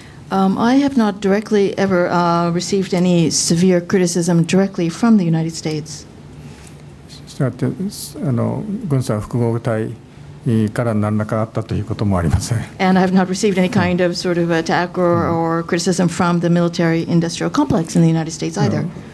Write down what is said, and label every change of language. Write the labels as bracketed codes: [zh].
[en] I have not directly ever received any severe criticism directly from the United States. [ja] したがって、軍産複合体から何らかあったということもありません。 [en] And I have not received any kind of sort of attack or criticism from the military industrial complex in the United States either.